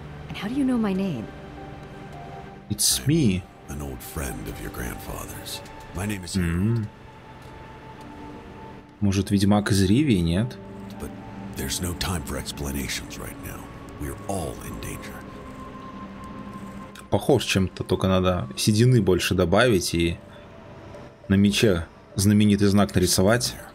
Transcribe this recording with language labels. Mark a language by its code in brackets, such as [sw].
[en] And how do you know my name? It's me. I'm an old friend of your grandfather's. My name is Harold. [ru] Может, ведьмак из Ривии, нет? [en] But there's no time for explanations right now. We're all in danger. [ru] Похож чем-то, только надо седины больше добавить и на мече знаменитый знак нарисовать.